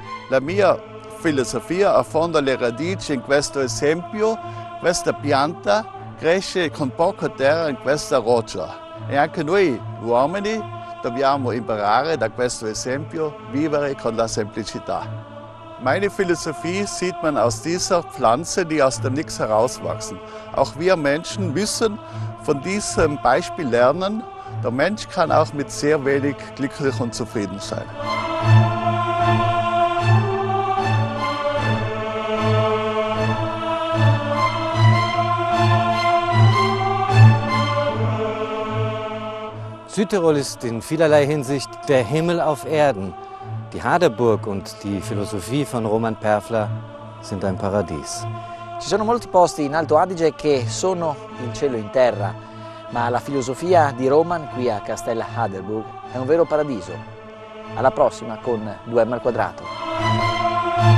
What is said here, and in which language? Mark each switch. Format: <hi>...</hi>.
<it>La mia filosofia affonda le radici in questo esempio. Questa pianta cresce con poca terra in questa roccia. E anche noi uomini dobbiamo imparare da questo esempio vivere con la semplicità.</it> <de>Meine Philosophie sieht man aus dieser Pflanze, die aus dem Nichts herauswachsen. Auch wir Menschen müssen von diesem Beispiel lernen. Der Mensch kann auch mit sehr wenig glücklich und zufrieden sein. Südtirol ist in vielerlei Hinsicht der Himmel auf Erden. Die Haderburg und die Philosophie von Roman Perfler sind ein Paradies.</de> <it>Ci sono molti posti in Alto Adige che sono in cielo in terra, ma la filosofia di Roman qui a Castel Haderburg è un vero paradiso. Alla prossima con 2M al quadrato.</it>